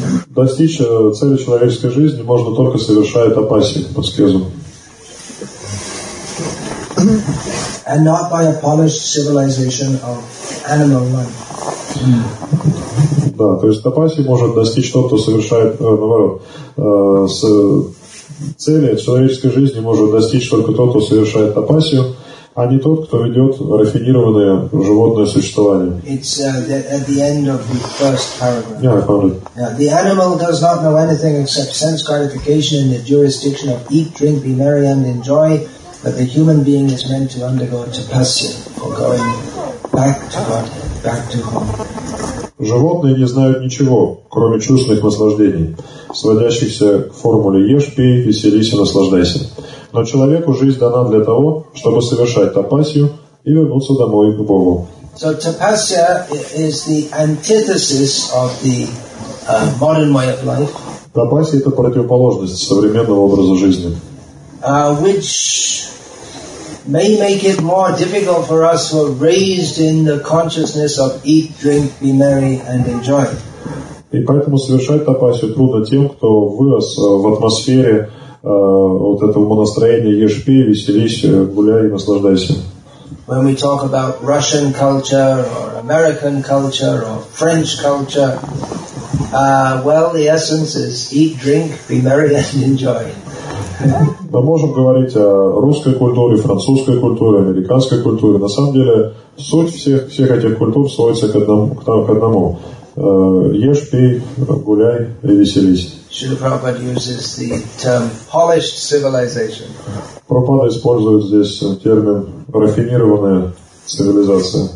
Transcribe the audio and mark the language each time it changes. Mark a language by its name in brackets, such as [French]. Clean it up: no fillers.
[Russian] Достичь цели человеческой жизни можно только совершая тапасию, аскезу. [English] And not by a polished civilization of animal life. [Russian] Да, то есть тапасия может достичь тот, кто совершает, наоборот, с цели человеческой жизни может достичь только тот, кто совершает тапасию, а не тот, кто ведет рафинированное животное существование. [English] It's at the end of the first paragraph. Yeah, probably. Yeah, the animal does not know anything except sense gratification in the jurisdiction of eat, drink, be merry and enjoy, but the human being is meant to undergo tapasya for going back to God, back to home. [Russian] Животные не знают ничего, кроме чувственных наслаждений, сводящихся к формуле «Ешь, пей, веселись и наслаждайся». Но человеку жизнь дана для того, чтобы совершать тапасию и вернуться домой к Богу. [English] So tapasya is the antithesis of the modern way of life. [Russian] Тапасья — это противоположность современного образа жизни. [English] Which may make it more difficult for us who are raised in the consciousness of eat, drink, be merry, and enjoy. [Russian] И поэтому совершать тапасию трудно тем, кто вырос в атмосфере вот этого настроения: ешь, пей, веселись, гуляй и наслаждайся. [English] When we talk about Russian culture or American culture or French culture, well, the essence is eat, drink, be merry, and enjoy. [Russian] Мы можем говорить о русской культуре, французской культуре, американской культуре. На самом деле, суть всех этих культур сводится к одному. Ешь, пей, гуляй и веселись. [English] Шрила Прабхупада uses the term polished civilization. [Russian] Прабхупада использует здесь термин рафинированная цивилизация.